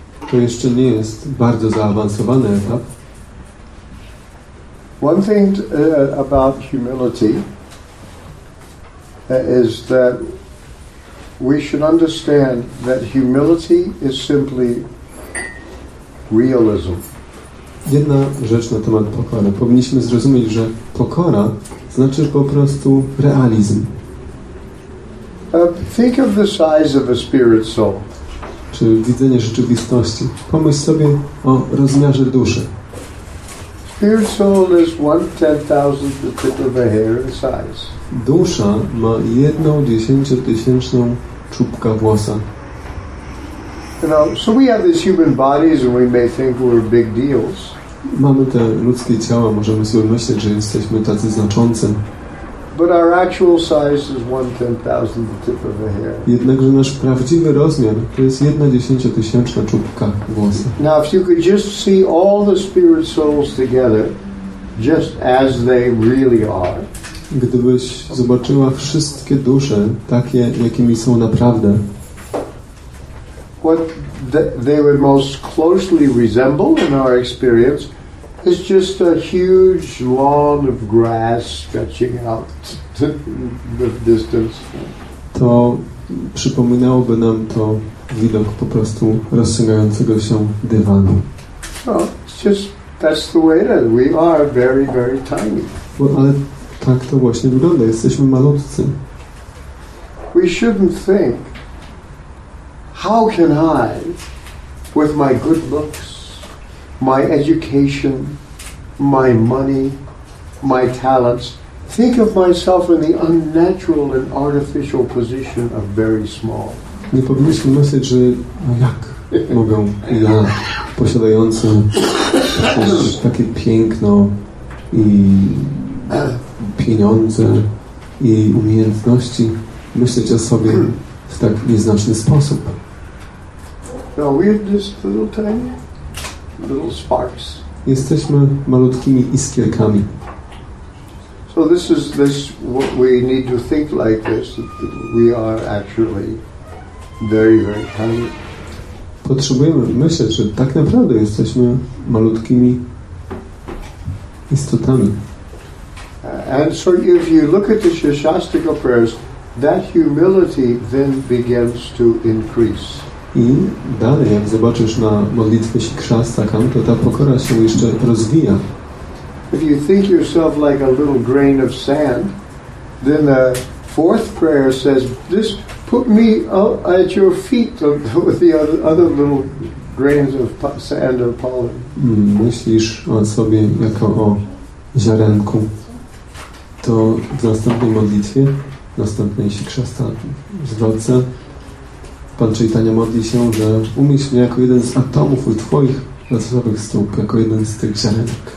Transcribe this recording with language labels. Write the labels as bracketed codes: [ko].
[pl] To jeszcze nie jest bardzo zaawansowany etap. [en] One thing about humility is that we should understand that humility is simply realism. [pl] Jedna rzecz na temat pokory. Powinniśmy zrozumieć, że pokora znaczy po prostu realizm. [en] Think of the size of a spirit soul. [pl] Czy widzenie rzeczywistości. Pomyśl sobie o rozmiarze duszy. [en] Spirit soul is 1/10,000th the tip of a hair in size. [pl] Dusza ma 1/10,000 czubka włosa. [en] You know, so we have these human bodies and we may think we're big deals. [pl] Mamy te ludzkie ciała, możemy sobie myśleć, że jesteśmy tacy znaczący. [en] But our actual size is 1/10,000 the tip of a hair. [pl] Jednakże nasz prawdziwy rozmiar to jest 1/10,000 czubka włosa. [en] Now, if you could just see all the spirit souls together, just as they really are. [pl] Gdybyś zobaczyła wszystkie dusze takie, jakimi są naprawdę. [en] What they would most closely resemble in our experience. It's just a huge lawn of grass stretching out to the distance. [pl] To przypominałoby nam to widok po prostu rozciągającego się dywanu. [en] No, it's just, that's the way it is. We are very, very tiny. [pl] Well, ale tak to właśnie wygląda. Jesteśmy malutcy. [en] We shouldn't think, how can I, with my good looks, my education, my money, my talents, think of myself in the unnatural and artificial position of very small. [pl] Nie powinniśmy myśleć, że jak mogę ja, posiadający takie piękno i pieniądze i umiejętności, myśleć o sobie w tak nieznaczny sposób. [en] No, we are just little tiny, little sparks. [pl] Jesteśmy malutkimi iskierkami. [en] So this is this what we need to think like this. That we are actually very, very tiny. [pl] Potrzebujemy myśleć, że tak naprawdę jesteśmy malutkimi istotami. [en] And so if you look at the Shishastika prayers, that humility then begins to increase. [pl] I dalej, jak zobaczysz na modlitwie Shikshastaka, to ta pokora się jeszcze rozwija. [en] If you think yourself like a little grain of sand, then the fourth prayer says, this put me at your feet with the other little grains of sand or pollen. [pl] Myślisz o sobie jako o ziarenku. To w następnej modlitwie, w następnej Shikshastaka, Pan Czajtania modli się, że umieść mnie jako jeden z atomów u Twoich lotosowych stóp, jako jeden z tych ziarenek.